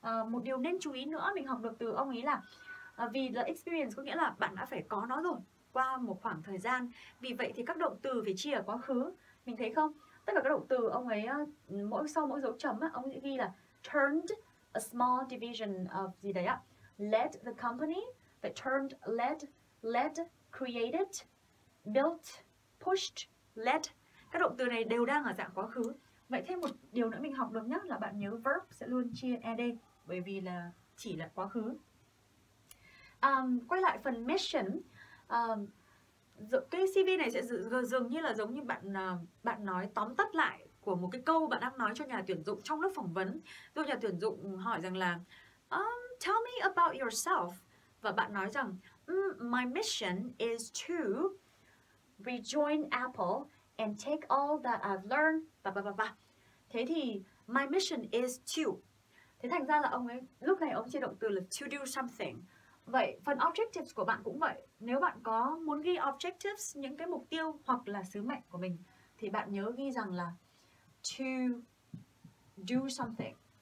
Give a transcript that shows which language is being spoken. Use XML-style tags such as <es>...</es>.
<vi>Một điều nên chú ý nữa mình học được từ ông ấy là vì là experience có nghĩa là bạn đã phải có nó rồi qua một khoảng thời gian. Vì vậy thì các động từ phải chia ở quá khứ. Mình thấy không? Tất cả các động từ ông ấy, mỗi sau mỗi dấu chấm, ông ấy ghi là</vi> <en>turned a small division of</en> <vi>gì đấy ạ.</vi> <en>Led the company, but turned led, created, built, pushed, led.</en> <vi>Các động từ này đều đang ở dạng quá khứ. Vậy thêm một điều nữa mình học được nhất là bạn nhớ verb sẽ luôn chia ed, bởi vì là chỉ là quá khứ. Quay lại phần mission. Cái CV này sẽ dường như là giống như bạn nói tóm tắt lại của một cái câu bạn đang nói cho nhà tuyển dụng trong lớp phỏng vấn. Rồi nhà tuyển dụng hỏi rằng là</vi> <en>tell me about yourself.</en> <vi>Và bạn nói rằng</vi> <en>my mission is to rejoin Apple and take all that I've learned, blah, blah, blah, blah.</en> <vi>Thế thì</vi> <en>my mission is to.</en> <vi>Thế thành ra là ông ấy, lúc này ông chia động từ là</vi> <en>to do something.</en> <vi>Vậy phần objectives của bạn cũng vậy. Nếu bạn có muốn ghi objectives, những cái mục tiêu hoặc là sứ mệnh của mình, thì bạn nhớ ghi rằng là</vi> <en>to do something.</en>